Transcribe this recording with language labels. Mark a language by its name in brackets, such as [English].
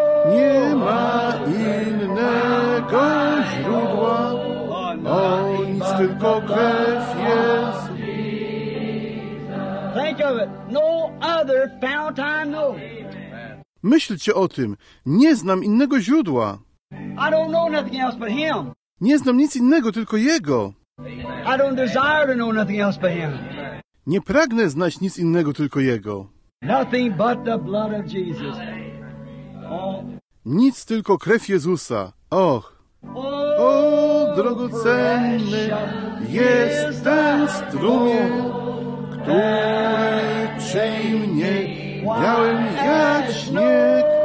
[Polish] Nie ma innego źródła, o nic, tylko krew Jezu. [English] Think of it, no other fountain, no. [Polish] Myślcie o tym. Nie znam innego źródła. [English] I don't know nothing else but him. [Polish] Nie znam nic innego, tylko Jego. [English] I don't desire to know nothing else but him. [Polish] Nie pragnę znać nic innego, tylko Jego. [English] Nothing but the blood of Jesus. [Polish] Nic, tylko krew Jezusa. Och. O, drogocenny jest ten strumień, który przyjmie mnie białym jak śnieg.